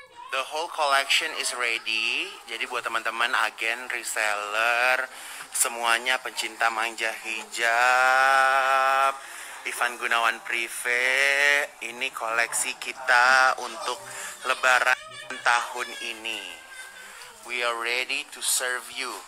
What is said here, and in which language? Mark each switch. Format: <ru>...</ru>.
<en>The whole collection is ready.</en> <id>Jadi buat teman-teman agen, reseller, semuanya pencinta manja hijab, Ivan Gunawan Privé, ini koleksi kita untuk Lebaran tahun ini.</id> <en>We are ready to serve you.</en>